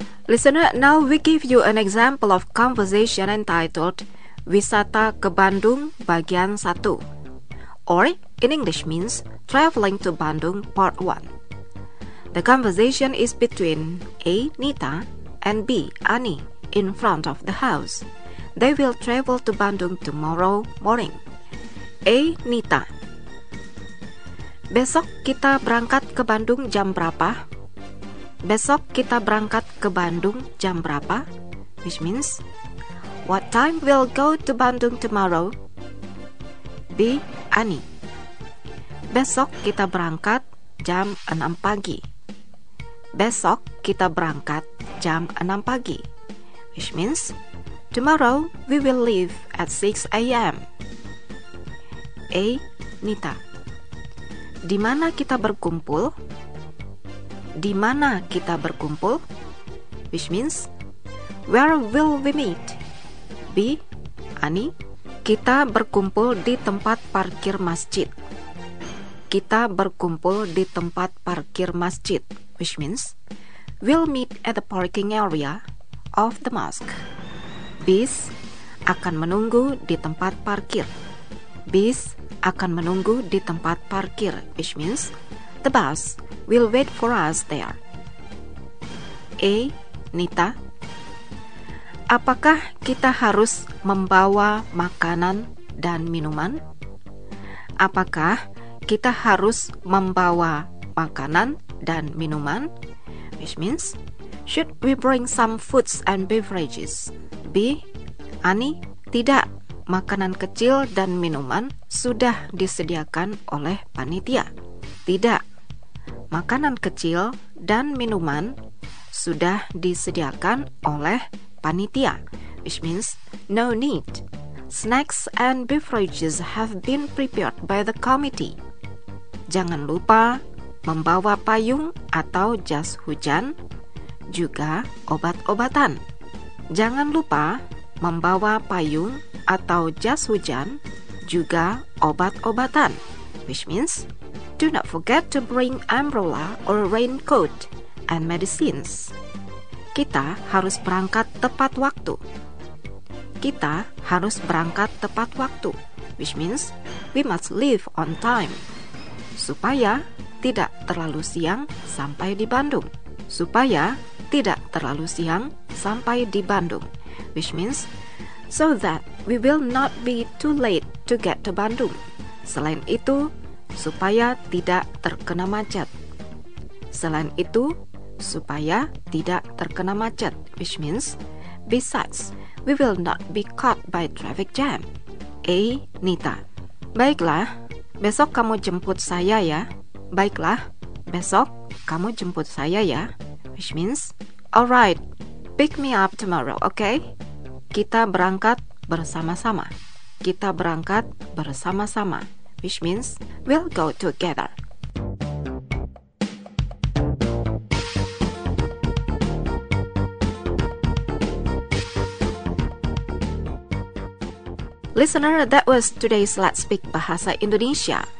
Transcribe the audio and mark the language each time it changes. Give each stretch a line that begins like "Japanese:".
English: Listener, now we give you an example of conversation entitled Wisata ke Bandung Bagian 1, or in English means Traveling to Bandung Part 1. The conversation is between A. Nita and B. Ani in front of the house. They will travel to Bandung tomorrow morning. A. Nita.
Indonesian: Besok kita berangkat ke Bandung jam berapa? Besok kita berangkat ke Bandung jam berapa?
English: Which means, what time we'll go to Bandung tomorrow? B. Ani.
Indonesian: Besok kita berangkat jam 6 pagi. Besok kita berangkat jam 6 pagi.
English: Which means, tomorrow, we will leave at 6 a.m.
Indonesian: A. Nita. Di mana kita berkumpul? Di mana kita berkumpul?
English: Which means, where will we meet?
Indonesian: B. Ani. Kita berkumpul di tempat parkir masjid. Kita berkumpul di tempat parkir masjid.
English: Which means, we'll meet at the parking area of the mosque.
Indonesian: Bis akan menunggu di tempat parkir. Bis akan menunggu di tempat parkir,
English: which means the bus will wait for us there. A.
Indonesian: Nita, apakah kita harus membawa makanan dan minuman? Apakah kita harus membawa makanan dan minuman?
English: Which means, should we bring some foods and beverages?
Indonesian: B. Ani, tidak. Makanan kecil dan minuman sudah disediakan oleh panitia. Tidak. Makanan kecil dan minuman sudah disediakan oleh panitia.
English: Which means, no need. Snacks and beverages have been prepared by the committee.
Indonesian: Jangan lupa membawa payung atau jas hujan, juga obat-obatan. Jangan lupa membawa payung atau jas hujan, juga obat-obatan.
English: Which means, do not forget to bring umbrella or raincoat and medicines.
Indonesian: Kita harus berangkat tepat waktu. Kita harus berangkat tepat waktu,
English: which means we must leave on time.
Indonesian: Supaya tidak terlalu siang sampai di Bandung. Supaya tidak terlalu siang sampai di Bandung,
English: which means so that we will not be too late to get to Bandung.
Indonesian: Selain itu, supaya tidak terkena macet. Selain itu, supaya tidak terkena macet,
English: which means besides, we will not be caught by traffic jam. A.
Indonesian: Nita, baiklah, besok kamu jemput saya ya. Baiklah, besok kamu jemput saya ya.
English: Which means, alright, pick me up tomorrow, okay?
Indonesian: Kita berangkat bersama-sama. Kita berangkat bersama-sama.
English: Which means, we'll go together. Listener, that was today's Let's Speak Bahasa Indonesia.